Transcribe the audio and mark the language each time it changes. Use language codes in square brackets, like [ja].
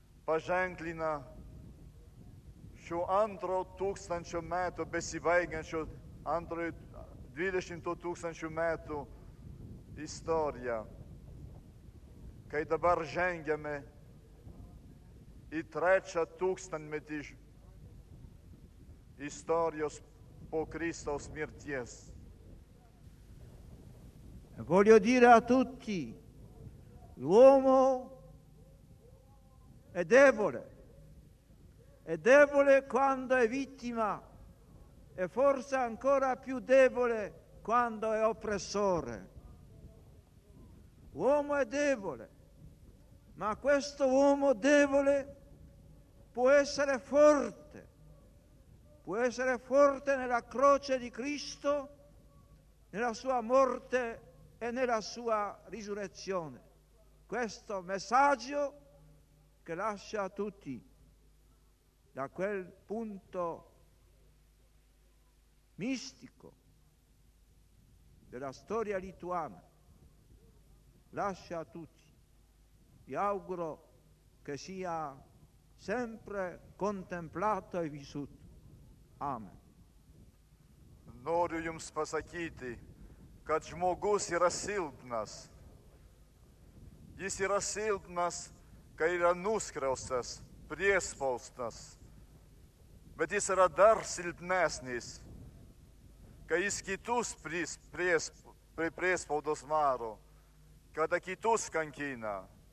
[lt] paženklina šio antro tūkstančio metų, besibaigiančio antrojo 20 tūkstančių metų istoriją, kai dabar žengiame į trečią tūkstantmetį istorijos po Kristaus mirties. [it] Voglio dire a tutti, l'uomo è debole quando è vittima e forse ancora più debole quando è oppressore. L'uomo è debole, ma questo uomo debole può essere forte. Può essere forte nella croce di Cristo, nella sua morte e nella sua risurrezione. Questo messaggio che lascia a tutti, da quel punto mistico della storia lituana, lascia a tutti. Vi auguro che sia sempre contemplato e vissuto. Amen. [lt] Noriu jums pasakyti, kad žmogus yra silpnas. Jis yra silpnas, kai yra nuskriaustas, priespaustas. Bet jis yra dar silpnesnis, kai jis kitus priespaudos varo, kada kitus kankina.